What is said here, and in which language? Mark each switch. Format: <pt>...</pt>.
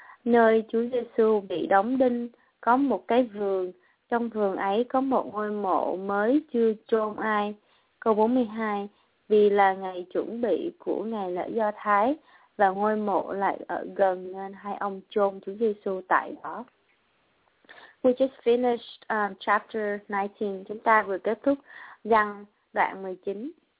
<vi>Nơi Chúa Giêsu bị đóng đinh có một cái vườn, trong vườn ấy có một ngôi mộ mới chưa chôn ai. Câu 42. Vì là ngày chuẩn bị của ngày lễ Do Thái và ngôi mộ lại ở gần nên hai ông chôn Chúa Giêsu tại đó.</vi> <en>We just finished chapter 19.</en> <vi>Chúng ta vừa kết thúc văn đoạn 19.</vi>